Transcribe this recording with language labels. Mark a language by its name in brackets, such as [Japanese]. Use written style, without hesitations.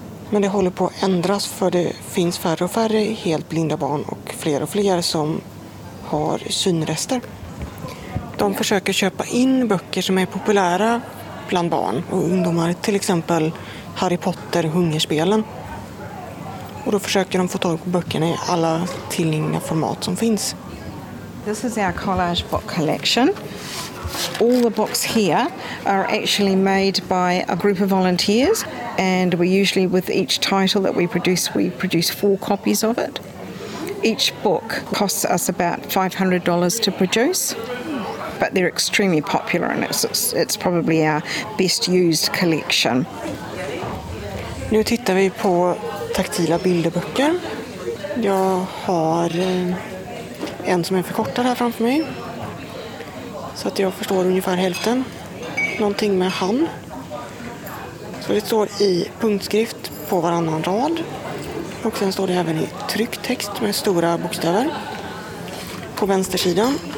[Swedish] Men det håller på att ändras för det finns färre och färre helt blinda barn och fler som har synrester. De försöker köpa in böcker som är populära bland barn och ungdomar, till exempel Harry Potter, Hungerspelen. Och då försöker de få tag på böckerna i alla tillgängliga format som finns. [English] This is our collage book collection. All the books here are actually made by a group of volunteers and we usually with each title that we produce 4 copies of it. Each book costs us about $500 to produce, but they're extremely popular and it's probably our best used collection. [Swedish] Nu tittar vi på taktila bilderböcker. Jag har en som är förkortad här framför mig. Så att jag förstår ungefär hälften. Någonting med han. Så det står i punktskrift på varannan rad. Och sen står det även i trycktext med stora bokstäver. På vänstersidan.